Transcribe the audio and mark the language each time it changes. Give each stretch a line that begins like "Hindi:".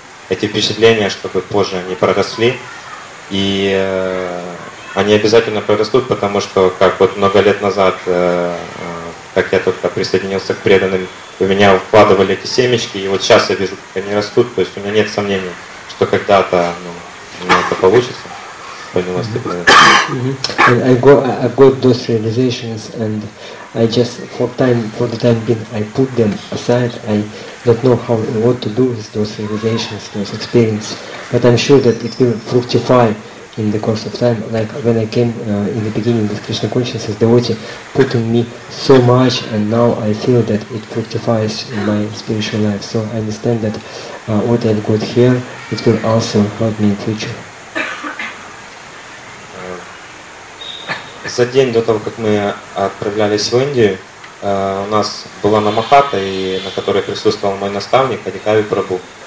Russian: впечатления, чтобы позже они проросли и они обязательно прорастут, потому что, как вот много лет назад, как я только присоединился к преданным, у меня вкладывали эти семечки, и вот сейчас я вижу, как они растут, то есть у меня нет сомнений, что когда-то ну, у меня это получится. Понялось ли?
English: I got those realizations, and I just for the time being, I put them aside. I don't know how what to do with those realizations, those experiences, but I'm sure that it will fructify in the course of time, like when I came in the beginning with Krishna consciousness, devotee put in me so much, and now I feel that it fructifies in my spiritual life. So I understand that what I've got here, it will also help me in future.
Russian: за день до того, как мы отправлялись в Индию, у нас была намахата, и на которой присутствовал мой наставник Адикави Прабу.